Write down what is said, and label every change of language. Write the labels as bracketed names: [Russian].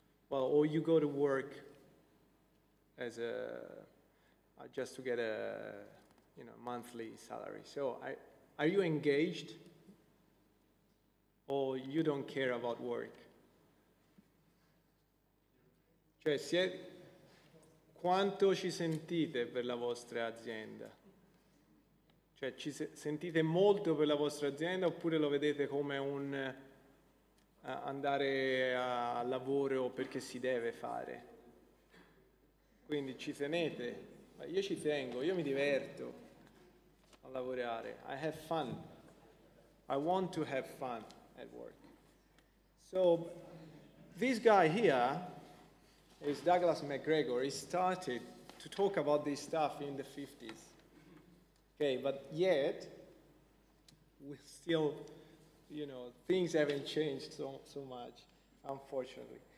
[English] Well, or you go to work as a just to get a monthly salary. So are you engaged or you don't care about work? [Italian] Cioè, siete, quanto ci sentite per la vostra azienda? Cioè, ci sentite molto per la vostra azienda oppure lo vedete come un andare a lavoro perché si deve fare? Quindi ci tenete? Io ci tengo, io mi diverto a lavorare. [English] I have fun. I want to have fun at work. So this guy here is Douglas McGregor. He started to talk about this stuff in the 50s. Okay, but yet we still, you know, things haven't changed so much, unfortunately.